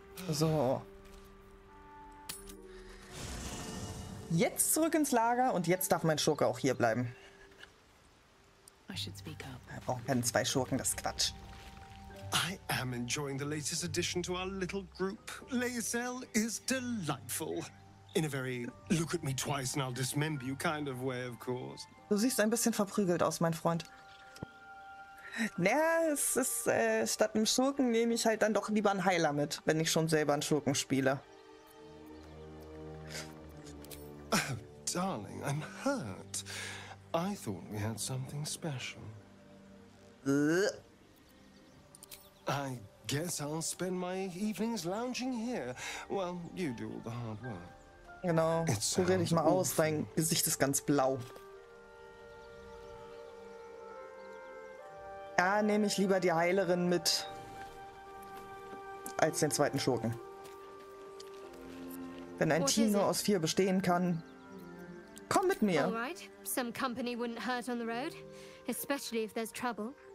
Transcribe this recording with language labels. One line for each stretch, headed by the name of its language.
German: So. Jetzt zurück ins Lager und jetzt darf mein Schurke auch hier bleiben.
English: I should speak up.
German: Oh, wir haben zwei Schurken, das ist Quatsch.
English: I am enjoying the latest addition to our little group. Lazel is delightful. In a very look at me twice and I'll dismember you kind of way, of course.
German: Du siehst ein bisschen verprügelt aus, mein Freund. Naja, es ist, statt einem Schurken nehme ich halt dann doch lieber einen Heiler mit, wenn ich schon selber einen Schurken spiele.
English: Oh, darling, I'm hurt. I thought we had something special. I guess I'll spend my evenings lounging here. Well, you do all the hard work.
German: Genau, probier dich mal aus, dein Gesicht ist ganz blau. Ja, nehme ich lieber die Heilerin mit als den zweiten Schurken. Wenn ein Team nur aus vier bestehen kann, komm mit mir.
English: Alright, some company wouldn't hurt on the road, especially if there's trouble.